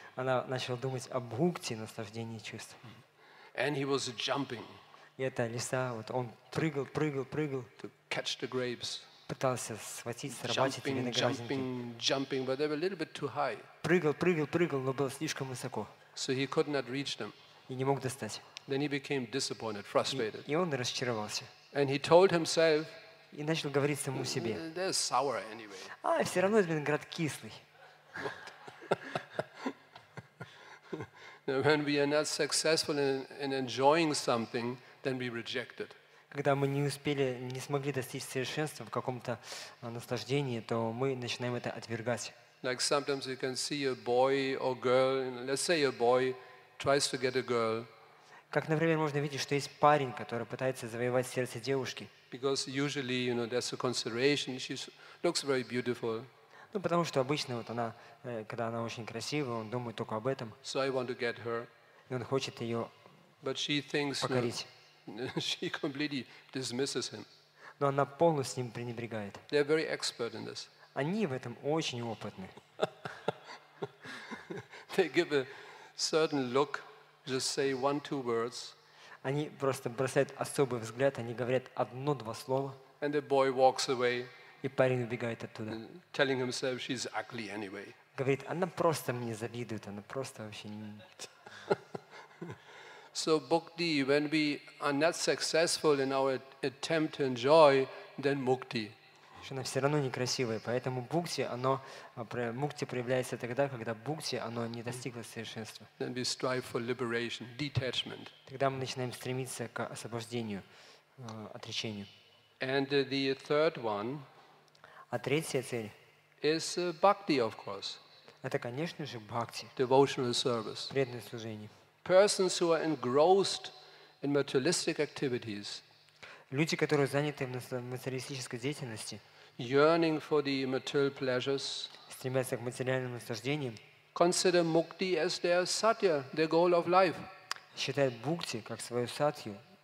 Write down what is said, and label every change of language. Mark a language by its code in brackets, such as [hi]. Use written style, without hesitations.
[ru] Она начала думать о бхакти, наслаждении чувств. [en] And he was jumping. [ru] И эта лиса, вот он прыгал, прыгал, прыгал. [en] To catch the grapes. [ru] Пытался схватить, сорвать эти виноградинки. [en] But they were a little bit too high. [ru] Прыгал, прыгал, прыгал, но было слишком высоко. [en] So he could not reach them. [ru] И не мог достать. [en] Then he became disappointed, frustrated. [ru] И он разочаровался. [en] And he told himself, [ru] и начал говорить самому себе, [en] they're sour anyway. [ru] А, все равно этот виноград кислый. [en] When we are not successful in enjoying something, then we reject it. [ru] Когда мы не смогли достичь совершенства в каком-то наслаждении, то мы начинаем это отвергать. [en] Like sometimes you can see a boy or girl, let's say a boy tries to get a girl. [ru] Как, например, можно видеть, что есть парень, который пытается завоевать сердце девушки. [en] Because usually, you know, there's a consideration. She looks very beautiful. [ru] Ну, потому что обычно вот она, когда она очень красивая, он думает только об этом. [en] So I want to get her. [ru] И он хочет ее покорить. [en] She completely dismisses him. [ru] Но она полностью с ним пренебрегает. [en] They're very expert in this. [ru] Они в этом очень опытны. [en] They give a certain look, just say one, two words. [ru] Они просто бросают особый взгляд, они говорят одно-два слова. [en] And the boy walks away. [ru] И парень убегает оттуда. [en] Telling himself she's ugly anyway. [ru] Говорит, она просто мне завидует, она просто вообще не. [en] So bhakti, when we are not successful in our attempt to enjoy, then mukti. [ru] Она все равно некрасивая, поэтому мукти проявляется тогда, когда бхакти, оно не достигло совершенства. [en] Then we strive for liberation, detachment. [ru] Тогда мы начинаем стремиться к освобождению, отречению. [en] And the third one. [ru] А третья цель? [en] Is bhakti, of course. [ru] Это, конечно же, бхакти. [en] Devotional service. [ru] Преданное служение. [en] Persons who are engrossed in materialistic activities. [ru] Люди, которые заняты в материалистической деятельности, [en] yearning for the material pleasures, [ru] стремятся к материальным наслаждениям, [en] consider mukti as their satya, their goal of life. [ru] Считают бхакти как свою сатью.